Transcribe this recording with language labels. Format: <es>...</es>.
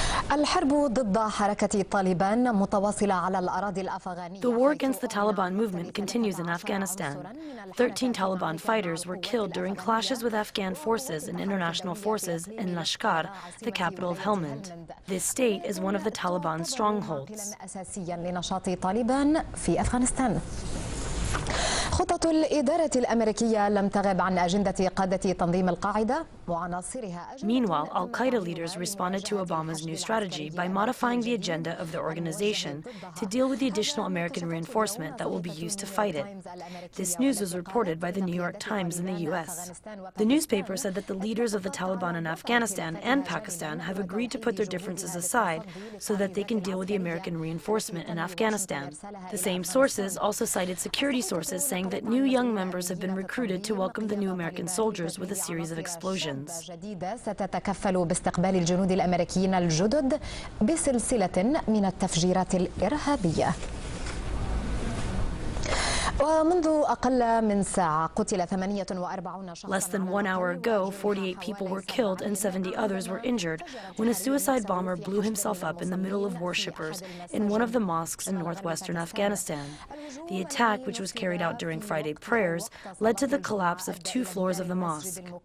<ar>الحرب ضد حركة طالبان متواصلة على الأراضي الأفغانية.</ar> <en>The war against the Taliban movement continues in Afghanistan. 13 Taliban fighters were killed during clashes with Afghan forces and international forces in Lashkar, the capital of Helmand. This state is one of the Taliban strongholds.</en> <ar>أساسيا لنشاط طالبان في أفغانستان. خطط الإدارة الأمريكية لم تغب عن أجندة قادة تنظيم القاعدة وعناصرها.</ar> <en>Meanwhile, Al-Qaeda leaders responded to Obama's new strategy by modifying the agenda of the organization to deal with the additional American reinforcement that will be used to fight it. This news was reported by the New York Times in the U.S. The newspaper said that the leaders of the Taliban in Afghanistan and Pakistan have agreed to put their differences aside so that they can deal with the American reinforcement in Afghanistan. The same sources also cited security sources saying that new young members have been recruited to welcome the new American soldiers with a series of explosions.</en> <ar>جديدة ستتكفل باستقبال الجنود الأمريكيين الجدد بسلسلة من التفجيرات الإرهابية. ومنذ أقل من ساعة قتل 48 شخصاً.</ar> <en>Less than one hour ago, 48 people were killed and 70 others were injured when a suicide bomber blew himself up in the middle of worshippers in one of the mosques in northwestern Afghanistan. The attack, which was carried out during Friday prayers, led to the collapse of two floors of the mosque.</en>